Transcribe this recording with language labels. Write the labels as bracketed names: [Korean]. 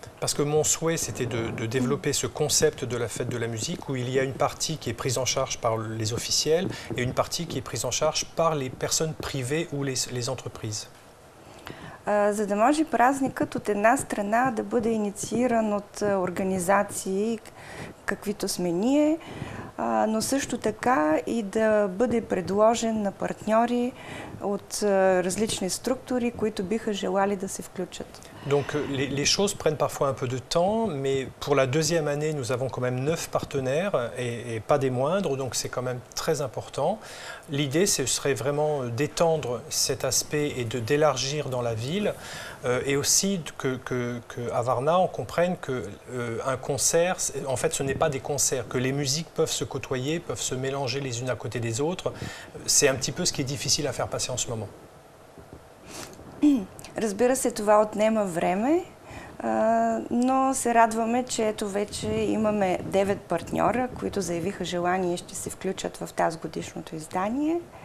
[French] Parce que mon souhait c'était de développer ce concept de la fête de la musique où il y a une partie qui est prise en charge par les officiels et une partie qui est prise en charge par les personnes privées ou les entreprises. [Bulgarian] За да може празникът от една страна да бъде иницииран от организации, каквито сме ние, но също така и да бъде предложен на партньори от различни структури, които биха желали да се включат. [French] Donc les choses prennent parfois un peu de temps, mais pour la deuxième année, nous avons quand même 9 partenaires et pas des moindres, donc c'est quand même très important. L'idée, ce serait vraiment d'étendre cet aspect et d'élargir dans la ville et aussi que à Varna, on comprenne que un concert, en fait, ce n'est pas des concerts, que les musiques peuvent se côtoyer, peuvent se mélanger les unes à côté des autres. C'est un petit peu ce qui est difficile à faire passer en ce moment. [Bulgarian] Разбира се, това отнема време, но се радваме, че ето вече имаме 9 партньора, които заявиха желание и ще се включат в тази годишното издание.